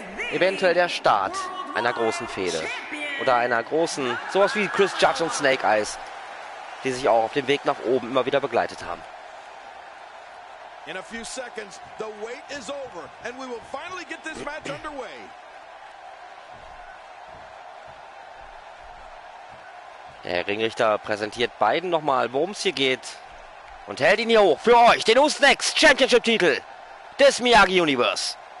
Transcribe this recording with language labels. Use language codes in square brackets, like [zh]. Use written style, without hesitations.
[de] Eventuell der Start einer großen Fehde oder einer großen, sowas wie Chris Judge und Snake Eyes, die sich auch auf dem Weg nach oben immer wieder begleitet haben. [en] In a few seconds, the wait is over and we will finally get this match underway. [de] Der Ringrichter präsentiert beiden nochmal, worum es hier geht. Und hält ihn hier hoch für euch, den Who's Next Championship-Titel des Miyagi Universe.